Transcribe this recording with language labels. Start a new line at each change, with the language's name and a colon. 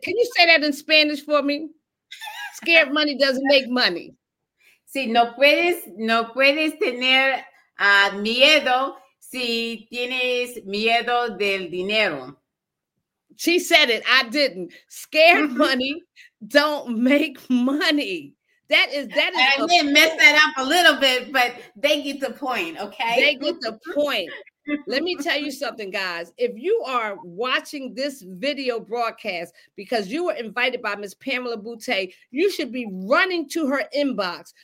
English: Can you say that in Spanish for me? Scared money doesn't make money.
Spanish: Si no puedes tener miedo. Si tienes miedo del dinero.
English: She said it. I didn't. Scared money don't make money. That is. I didn't mess that up a little bit, but they get the point, okay? They get the point. Let me tell you something, guys. If you are watching this video broadcast because you were invited by Miss Pamela Boutte, you should be running to her inbox.